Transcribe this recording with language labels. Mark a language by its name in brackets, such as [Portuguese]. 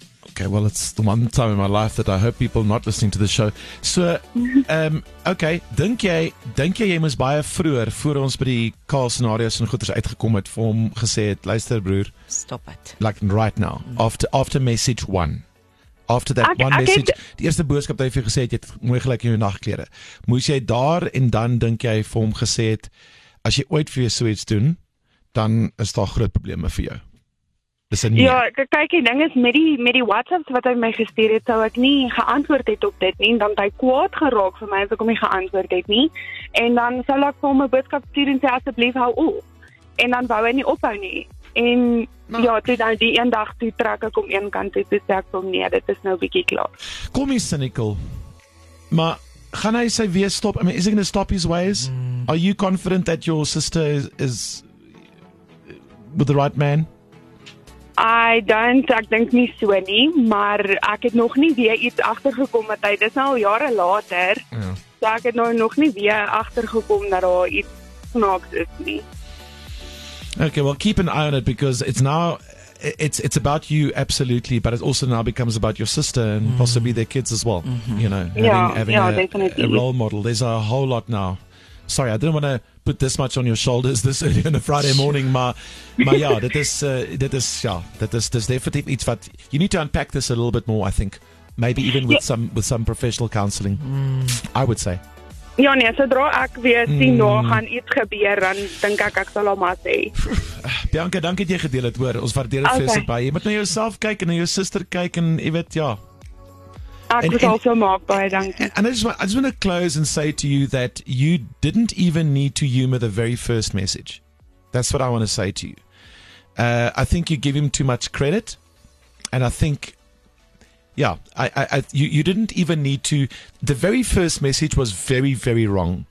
[English] Okay, well it's the one time in my life that I hope people not listening to the show. [Afrikaans] So okay, dink jy mos baie vroeër voor ons by die kaal scenario's en goeters uitgekom het vir hom gesê het, luister broer, [English] stop it. Like right now, after message 1. After that one message, [Afrikaans] die eerste boodskap wat hy vir gesê het, jy het mooi gelyk in jou nagklere. Moes jy daar en dan dink jy vir hom gesê het, as jy ooit vir jou so iets doen, dan is daar groot probleme vir jou. Dis 'n nee. Ja, kyk, die ding is met die WhatsApps wat hy my gestuur het, sou ek nie geantwoord het op dit nie, dan hy kwaad geraak vir my as ek hom nie geantwoord het nie. En dan sou ek vir hom 'n boodskap stuur en sê asseblief hou op. En dan wou hy nie ophou nie. En maar, ja, toe dan die een dag toe trek ek om een kant toe, toe sê ek om nee, dit is nou bietjie klaar. Kom hier, cynical. Maar gaan hy sy wees stop? [English] I mean, is he going to stop his ways? Are you confident that your sister is with the right man? [Afrikaans] Ek dink nie so nie, maar ek het nog nie weer iets agtergekom met hy. Dis nou al jare later. Ja. So ek het nou nog nie weer agtergekom dat daar iets snaaks is nie. [English] Okay, well, keep an eye on it because it's now... It's about you, absolutely, but it also now becomes about your sister and possibly their kids as well, you know, having a role model. There's a whole lot now. Sorry, I didn't want to put this much on your shoulders this early on a Friday morning, but there's definitely it's what you need to unpack this a little bit more, I think, maybe even with some professional counseling, I would say. [Afrikaans] Ja, nee, sodra ek weer sien na gaan iets gebeur, dan dink ek ek sal hom maar sê. Bianca, dankie dat jy gedeel het, hoor. Ons waardeer dit vreeslik baie. Jy moet na jouself kyk en na jou suster kyk en jy weet, ja. [English] I just want to close and say to you that you didn't even need to humor the very first message. That's what I want to say to you. I think you give him too much credit. And I think... Yeah, you didn't even need to. The very first message was very, very wrong.